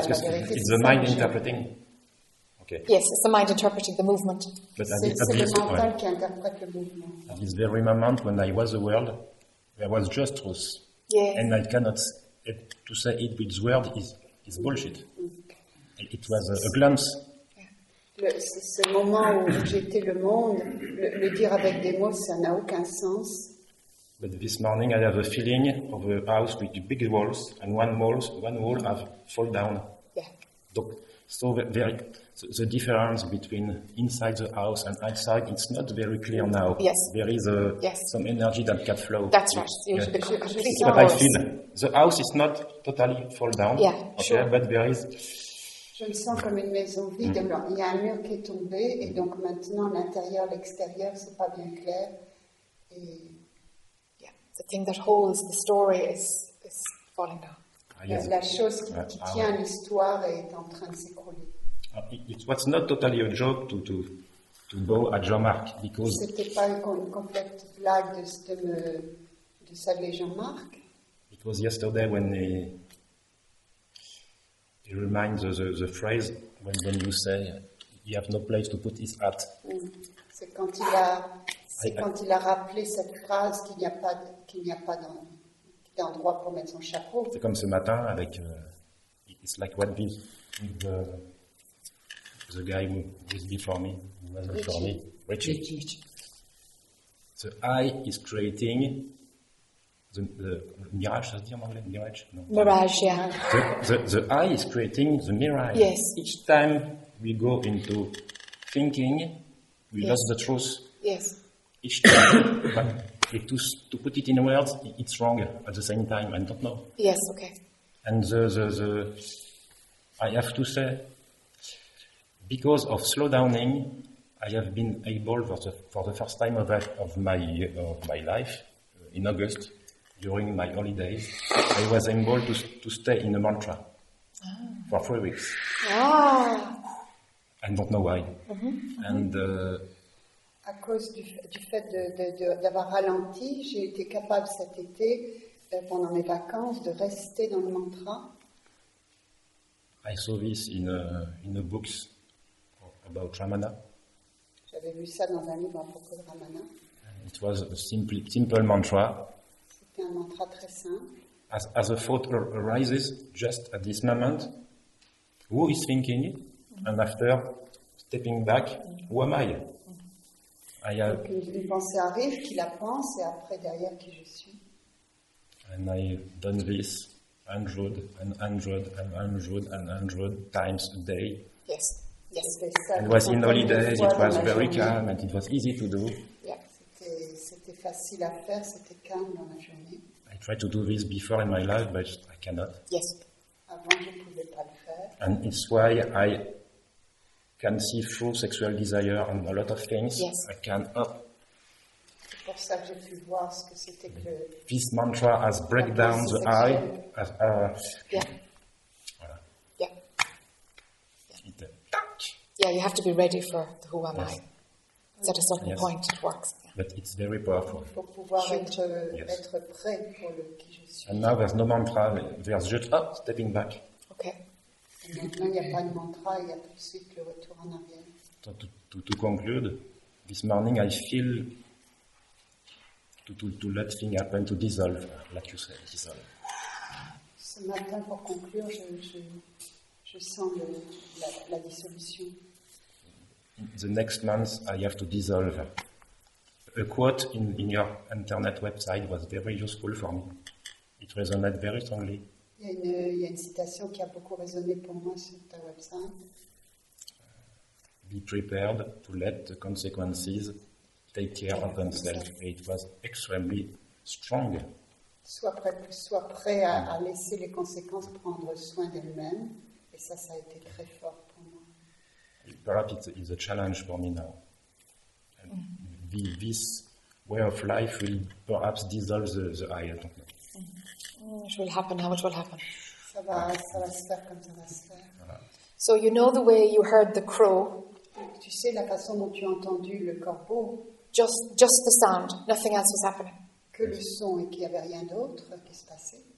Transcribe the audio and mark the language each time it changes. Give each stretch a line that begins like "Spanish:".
English: It's the mind interpreting. Okay. Yes, it's the mind interpreting the movement. But
French: c'est le mental qui interprète le mouvement.
English: At this very moment, when I was a world, there was just truth. Yes. And I cannot to say it with words is bullshit. Mm-hmm. It was a glimpse. Yeah.
French: Ce moment où j'étais le monde, le dire avec des mots, ça n'a aucun sens.
English: But this morning, I have a feeling of a house with big walls, and one wall have fallen down. Yeah. So very... The difference between inside the house and outside, it's not very clear now. Yes. There is some energy that can flow. That's right. But I feel the house is not totally fall down. Yeah, okay, sure. But there is...
French: Je le sens comme une maison vide. Mm. Il y a un mur qui est tombé, et donc maintenant l'intérieur, l'extérieur, c'est pas bien clair.
English: The thing that holds the story is falling down.
French: La chose qui tient l'histoire est en train de s'écrouler.
English: It was not totally a joke to bow at Jean-Marc because.
French: C'était pas une complète blague de saluer Jean-Marc.
English: It was yesterday when he reminds the phrase when you say you have no place to put his hat. Mm.
French: C'est quand il a quand il a rappelé cette phrase qu'il n'y a pas d'endroit pour mettre son chapeau. C'est comme ce matin avec
English: it's like what be the. The guy who was before me, who was before me, Richie. The eye is creating the mirage, how do you say in English? Mirage? No. Mirage, yeah. The eye is creating the mirage. Yes. Each time we go into thinking, we lost the truth. Yes. Each time, but to put it in words, it's wrong at the same time, I don't know. Yes, okay. And I have to say, because of slowdowning, I have been able for the first time of my life in August during my holidays, I was able to stay in a mantra for 3 weeks. Ah. I don't know why. Mm-hmm. Mm-hmm. And
French: à cause du fait d'avoir ralenti, j'ai été capable cet été pendant mes vacances de rester dans le mantra.
English: I saw this in a books about Ramana.
French: J'avais vu ça dans un livre à propos de Ramana.
English: It was a simple mantra.
French: C'était un mantra très simple.
English: As a thought arises just at this moment, who is thinking it? And after stepping back, who am I? I have.
French: Une pensée arrive, qui la pense, et après derrière qui je suis.
English: And I done this 100 and 100 and 100 and 100 times a day. Yes. It was in holidays. It was very calm and it was easy to do. Yeah,
French: c'était facile à faire. C'était calme dans la journée.
English: I tried to do this before in my life, but I cannot. Yes.
French: Avant, je pouvais pas le faire.
English: And it's why I can see through sexual desire and a lot of things. Yes. I can. Oh.
French: C'est pour ça que j'ai pu voir ce que c'était que.
English: This mantra has break down the eye. Yeah.
French: Voilà.
English: Yeah. Yeah, you have to be ready for the who am I. So at a certain point, it works. But it's very powerful.
French: Pour pouvoir être prêt pour le qui je suis.
English: And now there's no mantra, there's just stepping back. Okay.
French: Et maintenant, il n'y a pas de mantra, il y a tout de suite le retour en arrière.
English: To conclude, this morning I feel to let things happen, to dissolve, like you said, dissolve.
French: Ce matin, pour conclure, je sens la dissolution.
English: The next month, I have to dissolve. A quote in your internet website was very useful for me. It resonated very strongly.
French: Il y a une citation qui a beaucoup résonné pour moi sur ta website.
English: Be prepared to let the consequences take care of themselves.
French: Et
English: it was extremely strong.
French: Sois prêt à laisser les conséquences prendre soin d'elles-mêmes. Et ça a été très fort pour moi.
English: Perhaps it's a challenge for me now. This way of life will perhaps dissolve the I don't know. Mm-hmm. It will happen, how it will happen.
French: Ça va se faire.
English: So you know the way you heard the crow.
French: Tu sais la façon dont tu as entendu le corbeau.
English: Just the sound, nothing else was happening.
French: Que le son et qu'il n'y avait rien d'autre qui se passait.